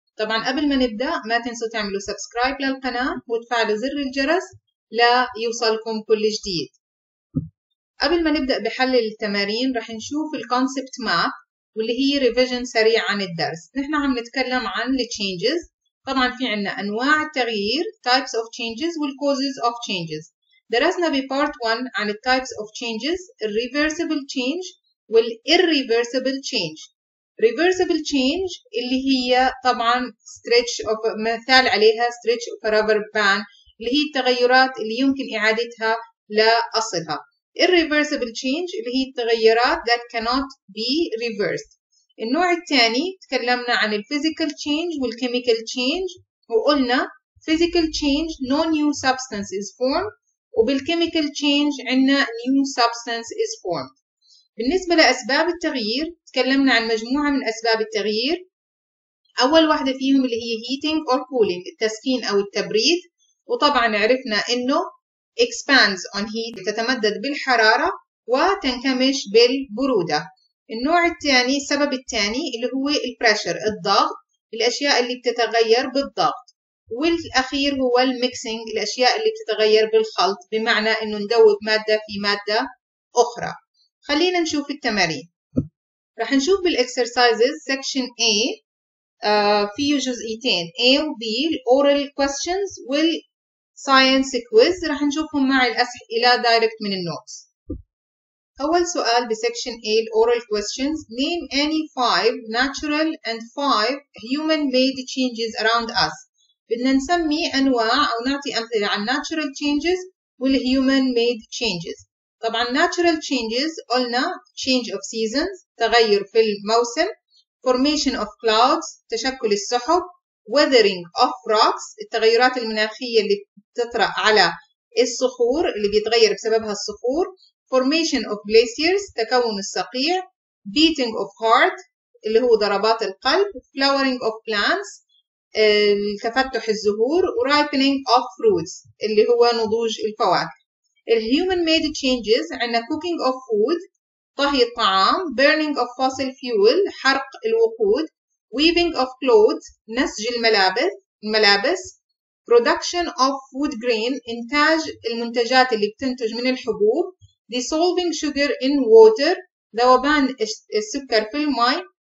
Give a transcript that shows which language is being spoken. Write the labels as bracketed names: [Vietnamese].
[Arabic] طبعا قبل ما نبدأ ما تنسوا تعملوا سبسكرايب للقناة وتفعلوا زر الجرس ليوصلكم كل جديد. قبل ما نبدأ بحل التمارين رح نشوف الكونسبت ماب واللي هي ريفيجن سريع عن الدرس. نحن عم نتكلم عن Changes. طبعا في عنا انواع التغيير [English] types of changes والcauses of changes. [Arabic] درسنا ببارت 1 عن [English] types of changes الreversible change والirreversible change. [Arabic] reversible change اللي هي طبعا stretch of مثال عليها [English] stretch of a rubber band [Arabic] اللي هي التغيرات اللي يمكن اعادتها لاصلها. [English] irreversible change [Arabic] اللي هي التغيرات [English] that cannot be reversed. [Arabic] النوع الثاني تكلمنا عن [English] الphysical change والchemical change وقلنا physical change no new substance is formed وبالchemical change عنا new substance is formed. [Arabic] بالنسبة لأسباب التغيير تكلمنا عن مجموعة من أسباب التغيير. أول واحدة فيهم اللي هي [English] heating or cooling [Arabic] التسخين أو التبريد، وطبعا عرفنا إنه [English] expands on heat [Arabic] تتمدد بالحرارة وتنكمش بالبرودة. النوع الثاني السبب الثاني اللي هو البريشر الضغط الأشياء اللي بتتغير بالضغط، والأخير هو الميكسينج الأشياء اللي بتتغير بالخلط بمعنى إنه ندوب مادة في مادة أخرى. خلينا نشوف التمارين. راح نشوف بالإكسرسايزز سكشن A فيه جزئيتين A وB الأورال كويستشنز والساينس كويز، راح نشوفهم مع الأسئلة دايركت من النوتس. أول سؤال بسكشن A الأورال [English] questions name any 5 natural and 5 human made changes around us. [Arabic] بدنا نسمي أنواع أو نعطي أمثلة عن [English] natural changes [Arabic] وال [English] human made changes. [Arabic] طبعا natural changes قلنا [English] change of seasons [Arabic] تغير في الموسم، [English] formation of clouds [Arabic] تشكل السحب، [English] weathering of rocks [Arabic] التغيرات المناخية اللي بتطرأ على الصخور اللي بيتغير بسببها الصخور، [English] formation of glaciers [Arabic] تكون الصقيع، [English] beating of heart [Arabic] اللي هو ضربات القلب، [English] flowering of plants [Arabic] تفتح الزهور، [English] ripening of fruits [Arabic] اللي هو نضوج الفواكه. [English] الhuman made changes عنا cooking of food [Arabic] طهي الطعام، [English] burning of fossil fuel [Arabic] حرق الوقود، [English] weaving of clothes [Arabic] نسج الملابس، [English] production of food grain [Arabic] إنتاج المنتجات اللي بتنتج من الحبوب، [English] dissolving sugar in water [Arabic] ذوبان السكر في الماء،